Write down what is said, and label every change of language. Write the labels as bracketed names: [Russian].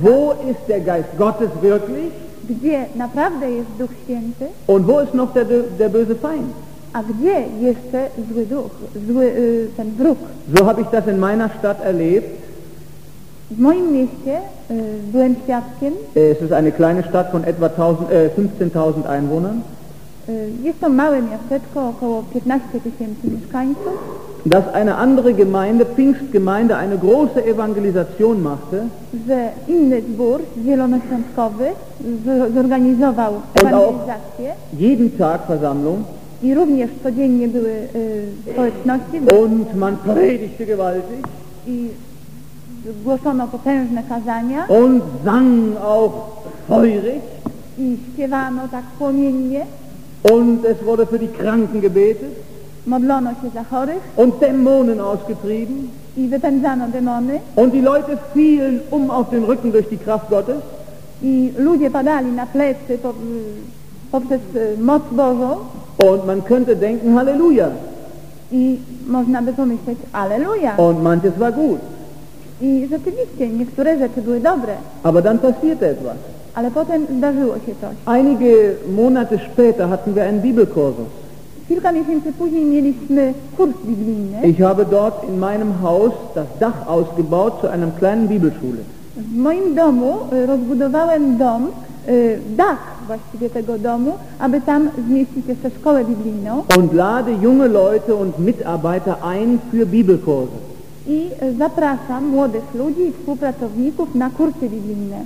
[German] Wo ist der Geist Gottes wirklich? [Polish] Gdzie naprawdę jest Duch Święty? [German] Und wo ist noch der böse Feind? [Polish] A gdzie jeszcze zły duch, ten wróg? [German] So habe ich das in meiner Stadt erlebt. [Polish] W moim mieście byłem świadkiem. [German] Es ist eine kleine Stadt von etwa 15.000 Einwohnern. [Polish] Jest to małe miasteczko, około 15 tysięcy mieszkańców. [German] Dass eine andere Gemeinde, Pfingstgemeinde, eine große Evangelisation machte. [Polish] Że inny zbór zielonoświątkowy zorganizował ewangelizację. [German] Jeden Tag Versammlung. [Polish] I również codziennie były społeczności. [German] Und man predigte gewaltig. [Polish] I głoszono potężne kazania. [German] Und sang auch feurig. [Polish] I śpiewano tak płomiennie. [German] Und es wurde für die Kranken gebetet. [Polish] Modlono się za chorych. [German] Und Dämonen ausgetrieben. [Polish] I wypędzano demony. [German] Und die Leute fielen auf den Rücken durch die Kraft Gottes. [Polish] I ludzie padali na plecy poprzez moc Bożą. [German] Und man könnte denken, Halleluja. [Polish] I można by pomyśleć, Alleluja. [German] Und manches war gut. [Polish] I rzeczywiście, niektóre rzeczy były dobre. [German] Aber dann passierte etwas. [Polish] Ale potem zdarzyło się coś. [German] Einige Monate später hatten wir einen Bibelkursus. [Polish] Kilka miesięcy później mieliśmy kurs biblijny. [German] Ich habe dort in meinem Haus das Dach ausgebaut zu einem kleinen Bibelschule. [Polish] W moim domu rozbudowałem dom, dach właściwie tego domu, aby tam zmieścić jeszcze szkołę biblijną. [German] Und lade junge Leute und Mitarbeiter ein für Bibelkurse. [Polish] I zapraszam młodych ludzi i współpracowników na kursy biblijne.